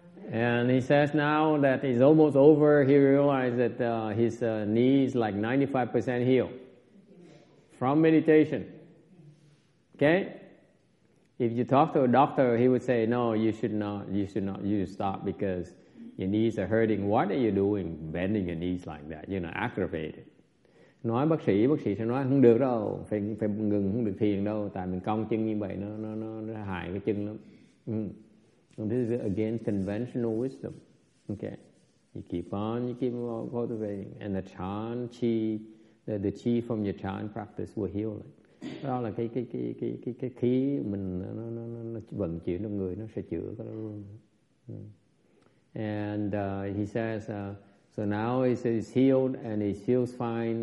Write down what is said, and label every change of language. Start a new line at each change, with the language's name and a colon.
English: And he says now that it's almost over, he realized that his knee is like 95% healed from meditation. Okay? If you talk to a doctor, he would say, no, you should not, you should stop because your knees are hurting. What are you doing bending your knees like that? You know, aggravated.
Vietnamese: Nói bác sĩ sẽ nói không được đâu, phải ngừng, không được thiền đâu, tại mình cong chân như vậy nó hại cái chân lắm.
English: And this is against conventional wisdom. Okay. You keep on cultivating. And the chan chi, the chi from your chan practice will heal it.
Vietnamese: Đó là cái khí mình nó vận chuyển trong người, nó sẽ chữa cái đó luôn.
English: And he says, so now he's healed and he feels fine.